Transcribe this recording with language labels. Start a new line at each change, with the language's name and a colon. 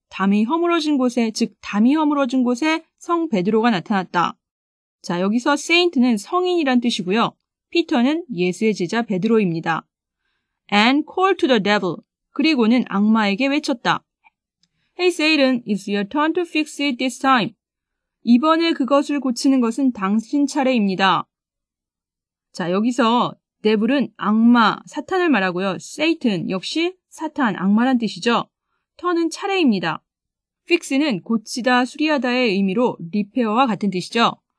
Korean: 담이 허물어진 곳에, 즉 담이 허물어진 곳에 성 베드로가 나타났다. 자, 여기서 Saint는 성인이란 뜻이고요. Peter는 예수의 제자 베드로입니다.
English: And called to the devil.
Korean: 그리고는 악마에게 외쳤다.
English: Hey Satan, it's your turn to fix it this time.
Korean: 이번에 그것을 고치는 것은 당신 차례입니다. 자, 여기서 devil은 악마, 사탄을 말하고요. Satan 역시 사탄, 악마란 뜻이죠. turn은 차례입니다. fix는 고치다, 수리하다의 의미로 repair와 같은 뜻이죠.